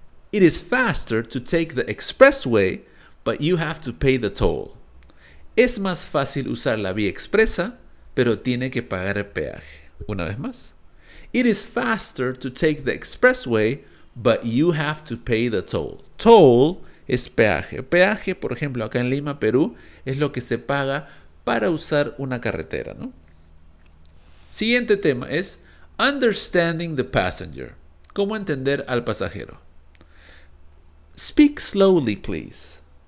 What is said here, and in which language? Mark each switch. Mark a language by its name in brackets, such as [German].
[English] It is faster to take the expressway, but you have to pay the toll. [Spanish] Es más fácil usar la vía expresa, pero tiene que pagar el peaje. Una vez más. [English] It is faster to take the expressway, but you have to pay the toll. [Spanish] Toll es peaje. Peaje, por ejemplo, acá en Lima, Perú, es lo que se paga para usar una carretera, ¿no? Siguiente tema es [English] understanding the passenger. [Spanish] ¿Cómo entender al pasajero? [English] Speak slowly, please.